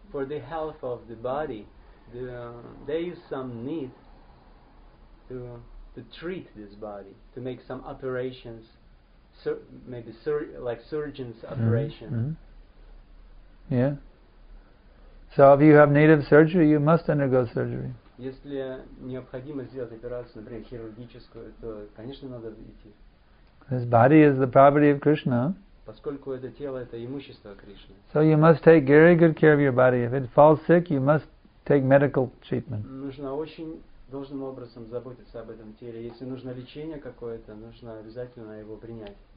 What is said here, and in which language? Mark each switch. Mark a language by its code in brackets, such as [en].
[en] For the health of the body, there is some need to treat this body, to make some operations, like surgeon's operation. Mm-hmm. Yeah. So if you have need of surgery, you must undergo surgery. [ru] Если необходимо сделать операцию, например, хирургическую, то, конечно, надо идти. [en] This body is the property of Krishna. [ru] Поскольку это тело это имущество Кришны. [en] So you must take very good care of your body. If it falls sick, you must take medical treatment. [ru] Нужно очень должным образом заботиться об этом теле. Если нужно лечение какое-то, нужно обязательно его принять.